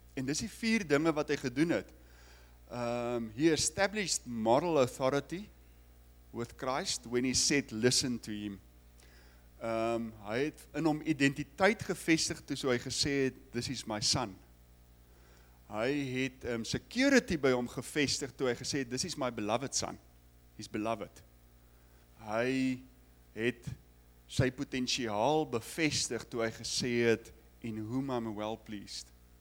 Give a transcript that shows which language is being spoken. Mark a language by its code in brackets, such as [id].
[af] En dis die vier dinge wat hy gedoen het. [en] He established moral authority with Christ when he said listen to him. [af] Hy het in hom identiteit gevestig toe so hy gesê het [en] this is my son. [af] Hy het security by hom gevestig toe hy gesê het [en] this is my beloved son. He's beloved. [af] Hy het sy potensiaal bevestig toe hy gesê het [en] in whom I'm well pleased.